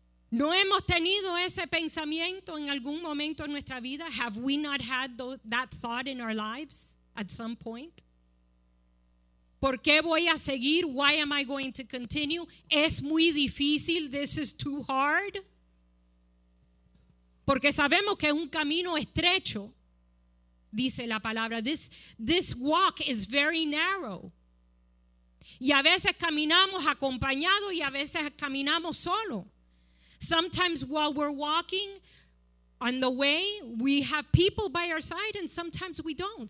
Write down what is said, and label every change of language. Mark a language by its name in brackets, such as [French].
[Spanish] ¿No hemos tenido ese pensamiento en algún momento en nuestra vida? [English] Have we not had that thought in our lives at some point? [Spanish] ¿Por qué voy a seguir? [English] Why am I going to continue? [Spanish] ¿Es muy difícil? [English] This is too hard. [Spanish] Porque sabemos que es un camino estrecho, dice la palabra. [English] This walk is very narrow. [Spanish] Y a veces caminamos acompañados y a veces caminamos solo. [English] Sometimes while we're walking on the way, we have people by our side and sometimes we don't.